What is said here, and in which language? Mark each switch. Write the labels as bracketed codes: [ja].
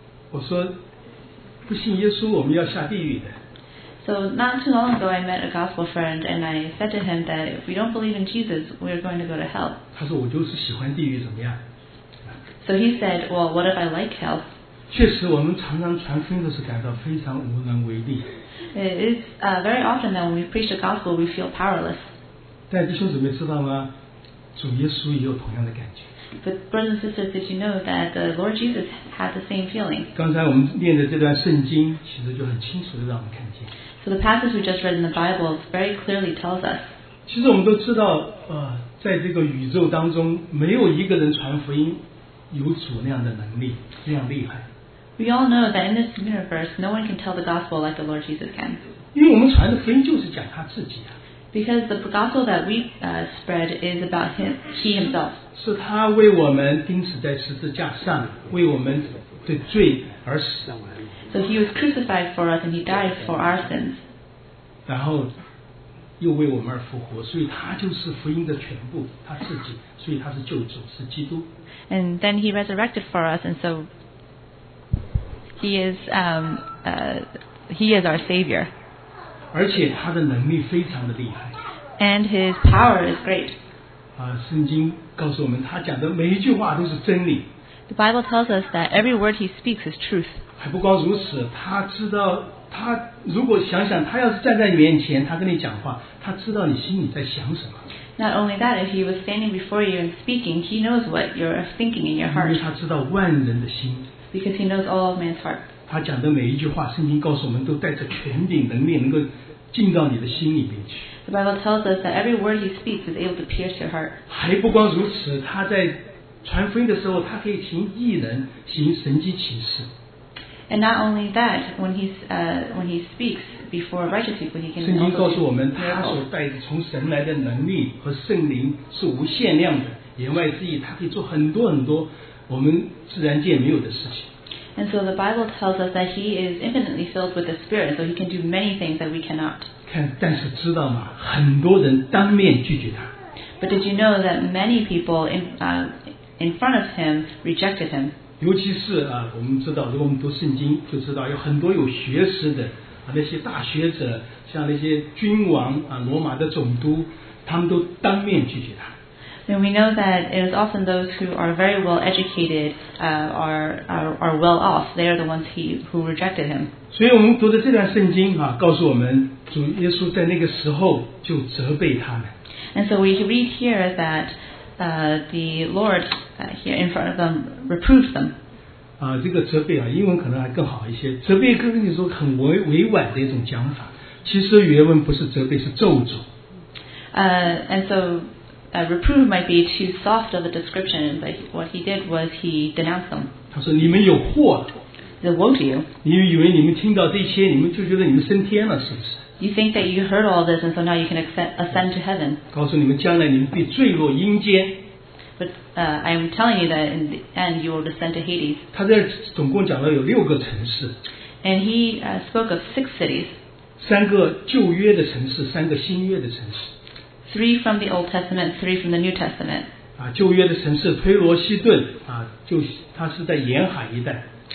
[zh] 我说不信耶稣我们要下地狱的。 [en] So not too long ago, I met a gospel friend, and I said to him that if we don't believe in Jesus, we are going to go to hell. [zh] 他说我就是喜欢地狱怎么样。 [en] So he said, well, what if I like hell? [zh] 确实我们常常传福音的时候感到非常无能为力。 [en] It's very often that when we preach the gospel, we feel powerless. [zh] 但弟兄姊妹知道吗？主耶稣也有同样的感觉。 [en] But brothers and sisters, did you know that the Lord Jesus had the same feeling? [zh] 刚才我们念的这段圣经其实就很清楚地让我们看见。 [en] So the passage we just read in the Bible very clearly tells us. [zh] 其实我们都知道，在这个宇宙当中，没有一个人传福音有主那样的能力，那样厉害。 [en] We all know that in this universe, no one can tell the gospel like the Lord Jesus can. [zh] 因为我们传的福音就是讲他自己啊。 [en] Because the gospel that we spread is about him, he himself. [zh] 是他为我们钉死在十字架上，为我们的罪而死。 [en] So he was crucified for us and he died for our sins. [zh] 然后又为我们而复活，所以他就是福音的全部，他自己，所以他是救主，是基督。 [en] And then he resurrected for us, and so he is our savior. [zh] 而且他的能力非常的厉害。 [en] And his power is great. [zh] 圣经告诉我们，他讲的每一句话都是真理。 [en] The Bible tells us that every word he speaks is truth. [zh] 还不光如此，他知道他如果想想，他要是站在你面前，他跟你讲话，他知道你心里在想什么。 [en] Not only that, if he was standing before you and speaking, he knows what you're thinking in your heart. [zh] 因为他知道万人的心。 [en] Because he knows all of man's heart. [zh] 他讲的每一句话，圣经告诉我们都带着权柄能力，能够进到你的心里面去。 [en] The Bible tells us that every word he speaks is able to pierce your heart. [zh] 还不光如此，他在传福音的时候，他可以行异能，行神迹奇事。 [en] And not only that, when he speaks before righteous people, he can. [zh] 圣经告诉我们，他所带的从神来的能力和圣灵是无限量的，言外之意，他可以做很多很多我们自然界没有的事情。 [en] And so the Bible tells us that he is infinitely filled with the Spirit, so he can do many things that we cannot. [zh] 看，但是知道吗？很多人当面拒绝他。 [en] But did you know that many people in front of him rejected him? [zh] 尤其是啊，我们知道，如果我们读圣经，就知道有很多有学识的啊，那些大学者，像那些君王啊，罗马的总督，他们都当面拒绝他。 [en] And we know that it is often those who are very well educated, are well off. They are the ones who rejected him. [zh] 所以我们读的这段圣经啊，告诉我们主耶稣在那个时候就责备他们。 [en] And so we read here that the Lord here in front of them reproved them. [zh] 这个责备啊，英文可能还更好一些。责备跟你说很委婉的一种讲法，其实原文不是责备，是咒诅。 [en] Reprove might be too soft of a description, but what he did was he denounced them. [zh] 他说你们有祸。 [en] The woe to you. [zh] 你以为你们听到这些，你们就觉得你们升天了，是不是？ [en] You think that you heard all this, and so now you can ascend to heaven. [zh] 告诉你们将来你们必坠落阴间。 [en] But I am telling you that in the end you will descend to Hades. [zh] 他在总共讲了有六个城市。 [en] And he spoke of six cities. [zh] 三个旧约的城市，三个新约的城市。 [en] Three from the Old Testament, three from the New Testament. [zh] 旧约的城市推罗西顿就它是在沿海一带。